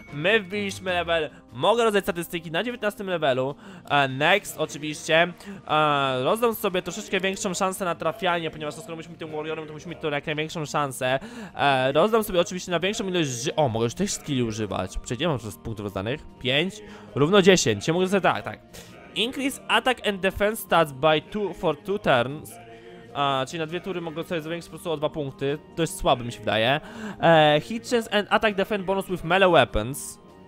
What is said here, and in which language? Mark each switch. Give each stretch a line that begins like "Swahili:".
Polish: My wbiliśmy level. Mogę rozdać statystyki na 19 levelu. Next, oczywiście. Rozdam sobie troszeczkę większą szansę na trafianie, ponieważ to skoro musimy tym warriorem, to musimy mieć to jak największą szansę. Rozdam sobie oczywiście na większą ilość o, mogę już tych skilli używać. Przejdziemy mam przez punktów rozdanych. 5 równo 10. Czy mogę sobie tak.
English: Increase attack and defense stats by 2 for 2 turns.
Polish: Czyli na dwie tury mogę sobie zwiększyć po prostu o 2 punkty. Dość słaby mi się wydaje.
English: Hit chance and attack defense bonus with melee weapons.